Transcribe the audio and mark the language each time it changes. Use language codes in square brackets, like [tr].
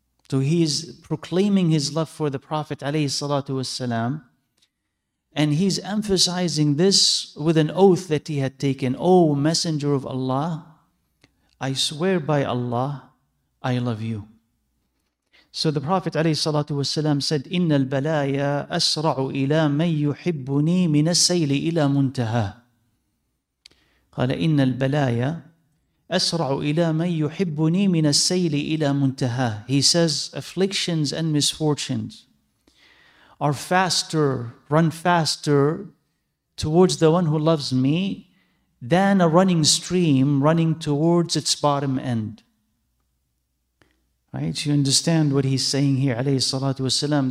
[en] So he is proclaiming his love for the Prophet alayhi salatu wasalam, and he's emphasizing this with an oath that he had taken. Oh, Messenger of Allah, I swear by Allah, I love you. So the Prophet [ar] عليه الصلاة والسلام [en] said, [ar] إِنَّ الْبَلَايَا أَسْرَعُ إِلَى مَنْ يُحِبُّنِي مِنَ السَّيْلِ إِلَى مُنْتَهَى قَالَ إِنَّ الْبَلَايَا أَسْرَعُ إِلَى مَنْ يُحِبُّنِي مِنَ السَّيْلِ إِلَى مُنْتَهَى. [en] He says, afflictions and misfortunes are faster, run faster towards the one who loves me than a running stream running towards its bottom end. Right, you understand what he's saying here, alayhi salatu wasalam.